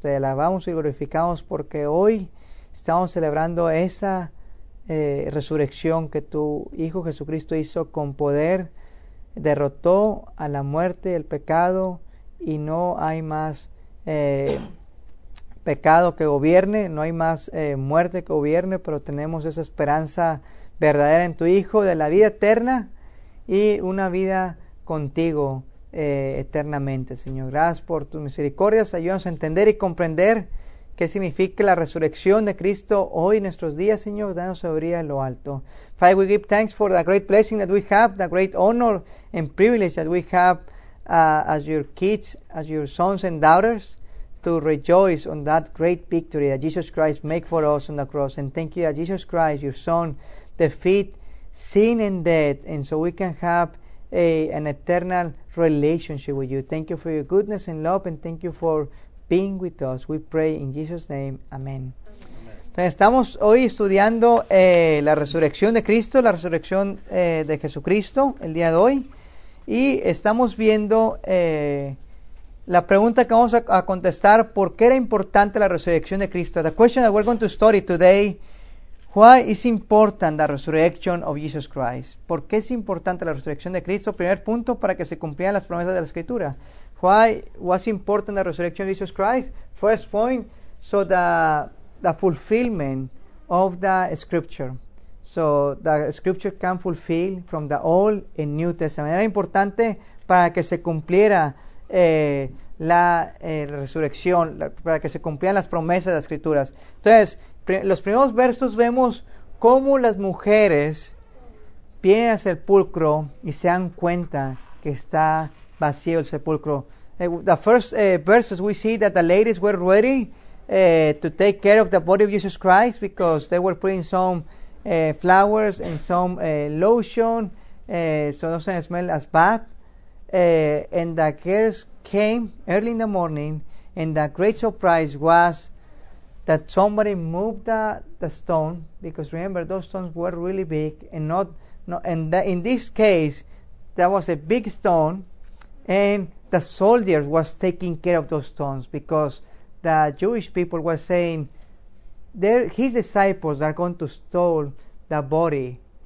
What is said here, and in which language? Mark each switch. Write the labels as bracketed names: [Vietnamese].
[Spanish] Te alabamos y glorificamos porque hoy estamos celebrando esa resurrección que tu Hijo Jesucristo hizo con poder, derrotó a la muerte, el pecado y no hay más pecado que gobierne, no hay más muerte que gobierne, pero tenemos esa esperanza verdadera en tu Hijo de la vida eterna y una vida contigo eternamente, Señor. Gracias por tus misericordias, ayúdanos a entender y comprender qué significa la resurrección de Cristo hoy en nuestros días, Señor, danos sabiduría en lo alto. [English] Father, we give thanks for the great blessing that we have, the great honor and privilege that we have as your kids, as your sons and daughters, to rejoice on that great victory that Jesus Christ made for us on the cross. And thank you that Jesus Christ, your Son, defeat sin and death, and so we can have an eternal relationship with you. Thank you for your goodness and love, and thank you for being with us. We pray in Jesus' name. Amen. [Spanish] Entonces, estamos hoy estudiando la resurrección de Cristo, la resurrección de Jesucristo el día de hoy. Y estamos viendo la pregunta que vamos a contestar, ¿por qué era importante la resurrección de Cristo? [English] The question that we're going to study today, why is important the resurrection of Jesus Christ? [Spanish] ¿Por qué es importante la resurrección de Cristo? Primer punto, para que se cumplieran las promesas de la Escritura. [English] Why was important the resurrection of Jesus Christ? First point, so the fulfillment of the Scripture. So the Scripture can fulfill from the Old and New Testament. [Spanish] Era importante para que se cumpliera resurrección, para que se cumplieran las promesas de las Escrituras. Entonces, los primeros versos vemos cómo las mujeres vienen al sepulcro y se dan cuenta que está vacío el sepulcro. [English] The first verses we see that the ladies were ready to take care of the body of Jesus Christ because they were putting some flowers and some lotion so it doesn't smell as bad. And the girls came early in the morning and the great surprise was that somebody moved the stone because remember those stones were really big and in this case there was a big stone and the soldiers was taking care of those stones because the Jewish people were saying his disciples are going to stole the body.